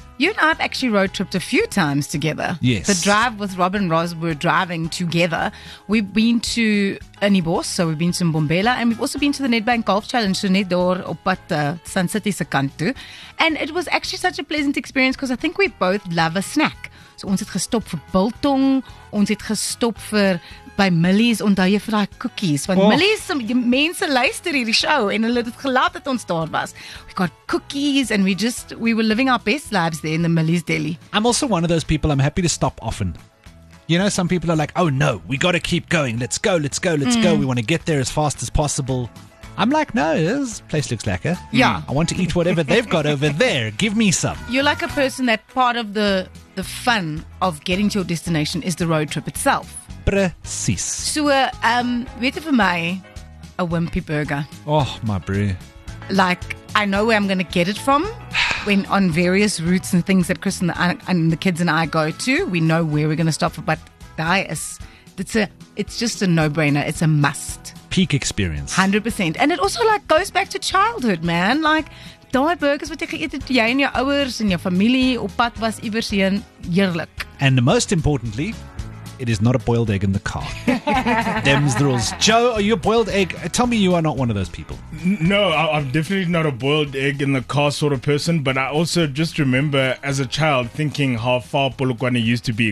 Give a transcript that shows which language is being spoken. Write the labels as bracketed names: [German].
[English] You and I have actually road tripped a few times together. Yes. The drive with Rob and Roz, we're driving together. We've been to Anibos, so we've been to Mbombela, and we've also been to the Nedbank Golf Challenge, so [Afrikaans] net daar op pad Sun City se kant toe. [English] And it was actually such a pleasant experience because I think we both love a snack. [Afrikaans] So ons het gestop vir biltong, ons het gestop vir by Millie's, onthou jy vir daai cookies, want Millie's, die mense luister hierdie show en hulle het dit gelaat dat ons daar was. [English] We got cookies and we were living our best lives there in the Millie's Deli. I'm also one of those people, I'm happy to stop often. You know, some people are like, oh no, we got to keep going, let's go, let's go, let's go, we want to get there as fast as possible. I'm like, no, this place looks lekker. Yeah. I want to eat whatever they've got over there. Give me some. You're like a person that part of the fun of getting to your destination is the road trip itself. [Afrikaans] Precies. [English] So, [Afrikaans] weet [English] for my a wimpy burger. Oh, my brew. Like, I know where I'm going to get it from. When on various routes and things that Chris and the kids and I go to, we know where we're going to stop. But it's just a no-brainer. It's a must. Peak experience. 100%. And it also like goes back to childhood, man. [Afrikaans] Like, die burgers wat jy geëet het, jy en jou ouers en jou familie op pad was iewers heen, heerlik. [English] And most importantly, it is not a boiled egg in the car. Dem's the rules. Joe, are you a boiled egg? Tell me you are not one of those people. No, I'm definitely not a boiled egg in the car sort of person. But I also just remember as a child thinking how far Polokwane used to be.